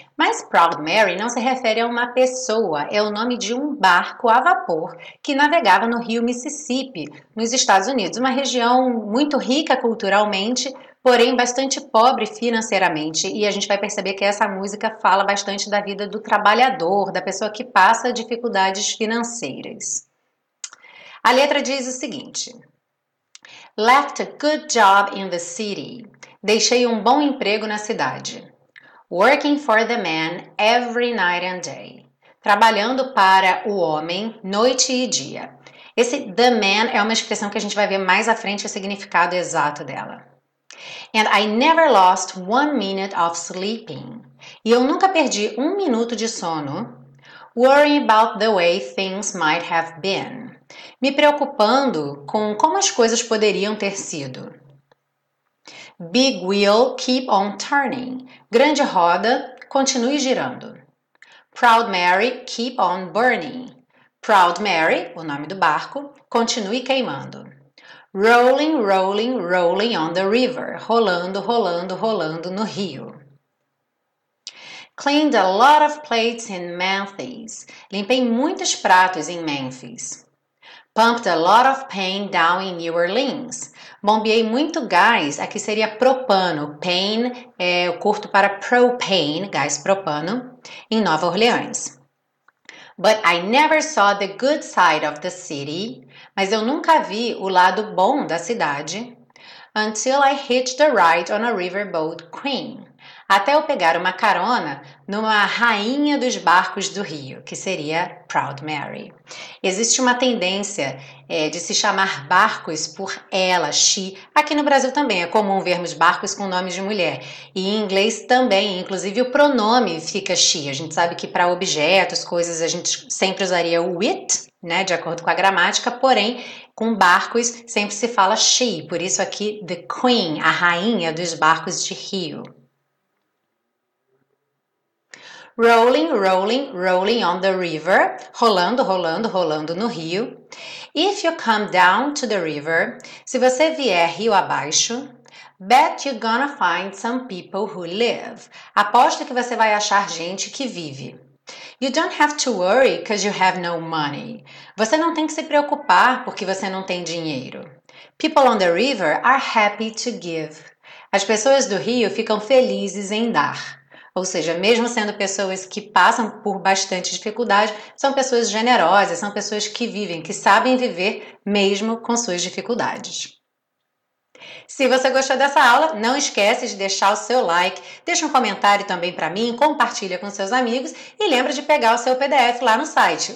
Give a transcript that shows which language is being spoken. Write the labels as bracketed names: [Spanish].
[Portuguese] Mas Proud Mary não se refere a uma pessoa, é o nome de um barco a vapor que navegava no rio Mississippi, nos Estados Unidos, uma região muito rica culturalmente, porém bastante pobre financeiramente, e a gente vai perceber que essa música fala bastante da vida do trabalhador, da pessoa que passa dificuldades financeiras. A letra diz o seguinte: [English] Left a good job in the city. [Portuguese] Deixei um bom emprego na cidade. [English] Working for the man every night and day. [Portuguese] Trabalhando para o homem noite e dia. Esse the man é uma expressão que a gente vai ver mais à frente o significado exato dela. [English] And I never lost one minute of sleeping. [Portuguese] E eu nunca perdi um minuto de sono. [English] Worrying about the way things might have been. [Portuguese] Me preocupando com como as coisas poderiam ter sido. [English] Big wheel keep on turning. [Portuguese] Grande roda, continue girando. [English] Proud Mary keep on burning. [Portuguese] Proud Mary, o nome do barco, continue queimando. [English] Rolling, rolling, rolling on the river. [Portuguese] Rolando, rolando, rolando no rio. [English] Cleaned a lot of plates in Memphis. [Portuguese] Limpei muitos pratos em Memphis. [English] Pumped a lot of pain down in New Orleans. [Portuguese] Bombeei muito gás, aqui seria propano. Pain é o curto para propane, gás propano, em Nova Orleans. [English] But I never saw the good side of the city. [Portuguese] Mas eu nunca vi o lado bom da cidade. [English] Until I hitched a ride on a riverboat queen. [Portuguese] Até eu pegar uma carona numa rainha dos barcos do rio, que seria Proud Mary. Existe uma tendência de se chamar barcos por ela, she. Aqui no Brasil também é comum vermos barcos com nome de mulher. E em inglês também, inclusive o pronome fica she. A gente sabe que para objetos, coisas, a gente sempre usaria o it, né, de acordo com a gramática. Porém, com barcos sempre se fala she. Por isso aqui, the queen, a rainha dos barcos de rio. [English] Rolling, rolling, rolling on the river. [Portuguese] Rolando, rolando, rolando no rio. [English] If you come down to the river, [Portuguese] se você vier rio abaixo, [English] bet you're gonna find some people who live. [Portuguese] Aposto que você vai achar gente que vive. [English] You don't have to worry because you have no money. [Portuguese] Você não tem que se preocupar porque você não tem dinheiro. [English] People on the river are happy to give. [Portuguese] As pessoas do rio ficam felizes em dar. Ou seja, mesmo sendo pessoas que passam por bastante dificuldade, são pessoas generosas, são pessoas que vivem, que sabem viver mesmo com suas dificuldades. Se você gostou dessa aula, não esquece de deixar o seu like, deixa um comentário também para mim, compartilha com seus amigos e lembra de pegar o seu PDF lá no site.